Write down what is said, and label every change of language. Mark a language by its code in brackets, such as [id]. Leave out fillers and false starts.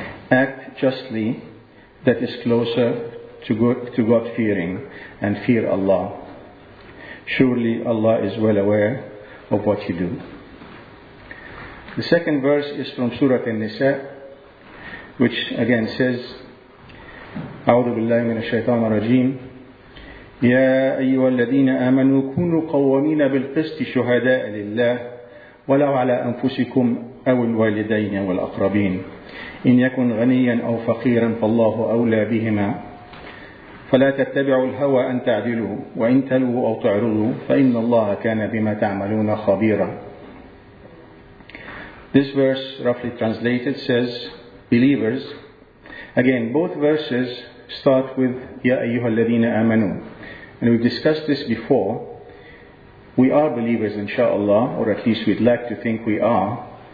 [en] Act justly, that is closer to God fearing, and fear Allah. Surely Allah is well aware of what you do. The second verse is from Surah An-Nisa, which again says, [ar] أعوذ بالله من الشيطان الرجيم. يا أيها الذين آمنوا كونوا قوامين بالقسط شهداء لله ولو على أنفسكم أو الوالدين والأقربين إن يكن غنيا أو فقيرا فالله أولى بهما فلا تتبعوا الهوى أن تعدلوا وإن تلووا أو تعرضوا فإن الله كان بما تعملون خبيرا. [en] This verse roughly translated says, believers, again both verses start with [ar] يا أيها الذين آمنوا, [en] and we've discussed this before. We are believers, inshallah, or at least we'd like to think we are.